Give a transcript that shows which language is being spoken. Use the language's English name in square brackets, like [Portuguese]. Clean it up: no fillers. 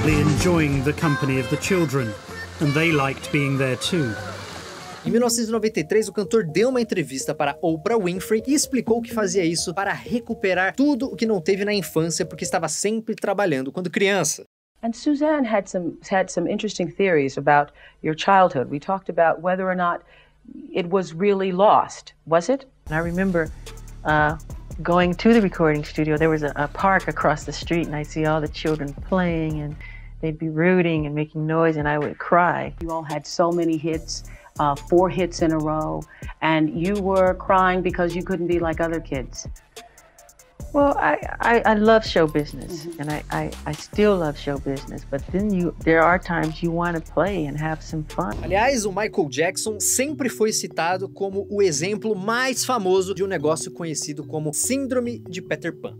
[English] evidently enjoying the company of the children, and they liked being there too. [Portuguese] Em 1993, o cantor deu uma entrevista para Oprah Winfrey e explicou que fazia isso para recuperar tudo o que não teve na infância porque estava sempre trabalhando quando criança. [English] And Suzanne had some interesting theories about your childhood. We talked about whether or not it was really lost, was it? And I remember going to the recording studio. There was a park across the street and I see all the children playing and they'd be rooting and making noise and I would cry. You all had so many hits. Four hits in a row, and you were crying because you couldn't be like other kids. Well, I love show business, mm-hmm. and I still love show business, but then there are times you want to play and have some fun. [Portuguese] Aliás, o Michael Jackson sempre foi citado como o exemplo mais famoso de um negócio conhecido como Síndrome de Peter Pan.